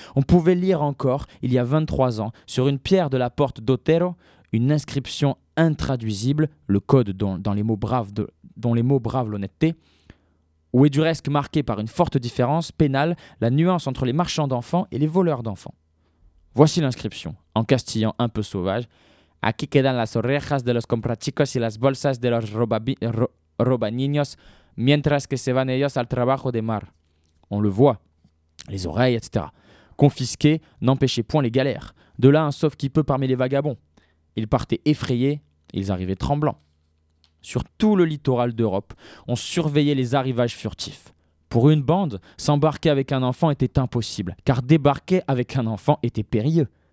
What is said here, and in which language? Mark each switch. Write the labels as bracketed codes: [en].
[fr] On pouvait lire encore, il y a 23 ans, sur une pierre de la porte d'Otero, une inscription intraduisible, le code dont les mots braves l'honnêteté, où est du reste marqué par une forte différence pénale la nuance entre les marchands d'enfants et les voleurs d'enfants. Voici l'inscription, en castillan un peu sauvage. [es] Aquí quedan las orejas de los comprachicos y las bolsas de los robaniños mientras que se van ellos al trabajo de mar. [fr] On le voit, les oreilles, etc. Confisqués n'empêchaient point les galères. De là un sauf-qui-peut parmi les vagabonds. Ils partaient effrayés, ils arrivaient tremblants. sur tout le littoral d'Europe, on surveillait les arrivages furtifs. Pour une bande, s'embarquer avec un enfant était impossible, car débarquer avec un enfant était périlleux.